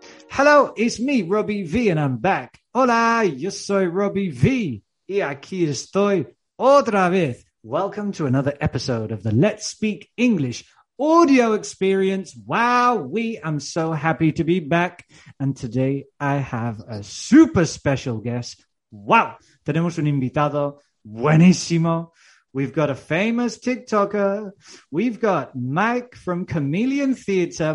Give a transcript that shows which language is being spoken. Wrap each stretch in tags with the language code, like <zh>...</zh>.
<en>Hello, it's me, Robbie V, and I'm back.</en> <es>Hola, yo soy Robbie V, y aquí estoy otra vez.</es> <en>Welcome to another episode of the Let's Speak English audio experience. Wow, we, I'm so happy to be back. And today I have a super special guest.</en> <es>Wow, tenemos un invitado buenísimo.</es> <en>We've got a famous TikToker. We've got Mike from Chameleon Theater.</en>